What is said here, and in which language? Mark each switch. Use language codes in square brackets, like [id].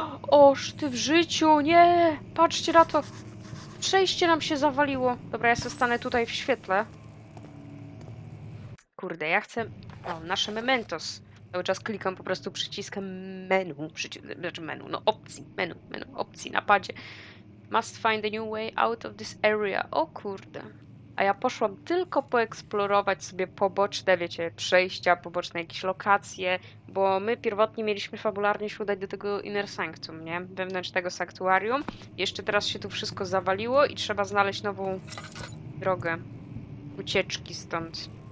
[pl] Oż ty w życiu, nie! Patrzcie na to! Przejście nam się zawaliło. Dobra, ja zostanę tutaj w świetle. Kurde, ja chcę... O, nasze mementos. Cały czas klikam po prostu przyciskiem menu, opcji, opcji na padzie. [en] Must find a new way out of this area. [pl] O kurde. A ja poszłam tylko poeksplorować sobie poboczne, wiecie, przejścia, poboczne jakieś lokacje, bo my pierwotnie mieliśmy fabularnie się udać do tego Inner Sanctum, nie? Wewnętrznego sanktuarium. Jeszcze teraz się tu wszystko zawaliło i trzeba znaleźć nową drogę ucieczki stąd.